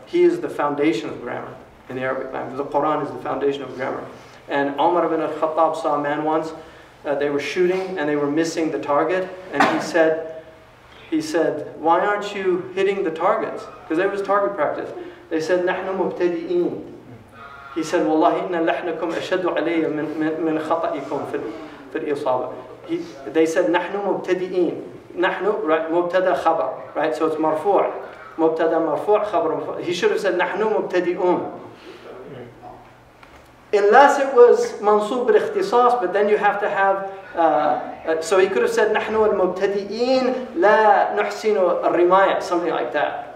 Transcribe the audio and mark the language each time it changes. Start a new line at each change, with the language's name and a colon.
English: He is the foundation of grammar in the Arabic language. The Quran is the foundation of grammar. And Umar ibn al-Khattab saw a man once, they were shooting and they were missing the target, and he said, why aren't you hitting the targets? Because there was target practice. They said,
Arabic: نَحْنُ مُبْتَدِئِينَ.
English: He said,
Arabic: وَاللَّهِ إِنَّ لَحْنَكُمْ أَشَدُّ عَلَيَّ مِنْ خَطَئِكُمْ فِي الْإِصَابَةِ.
English: They said,
Arabic: نَحْنُ مُبْتَدِئِينَ. نَحْنُ,
English: right,
Arabic: مُبْتَدَى خَبَرْ, right?
English: So it's مرفوع.
Arabic: مُبْتَدَى مرفوع, خَبَرْ مرفوع.
English: He should have said,
Arabic: نَحْنُ مُبْتَدِئُونَ.
English: Unless it was mansub bil ikhtisas, but then you have to have. So he could have said
Arabic: nahnu al mubtadiin la nuhsinu al rimaya,
English: something like that.